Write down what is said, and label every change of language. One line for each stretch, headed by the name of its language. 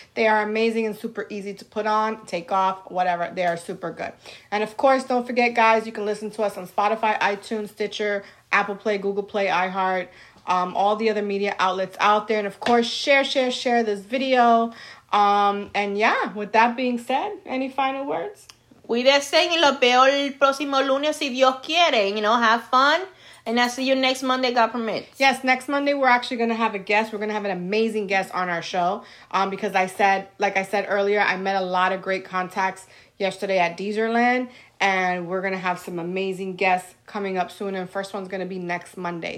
English: They are amazing and super easy to put on, take off, whatever. They are super good. And of course, don't forget, guys, you can listen to us on Spotify, iTunes, Stitcher, Apple Play, Google Play, iHeart, all the other media outlets out there. And of course, share this video. And yeah, with that being said, any final words?
Spanish: Cuídense y los veo el próximo lunes si Dios quiere.
English: You know, have fun. And I'll see you next Monday, God permits. Yes, next Monday, we're actually going to have a guest. We're going to have an amazing guest on our show. Because I said, like I said earlier, I met a lot of great contacts yesterday at Deezerland. And we're going to have some amazing guests coming up soon. And first one's going to be next Monday.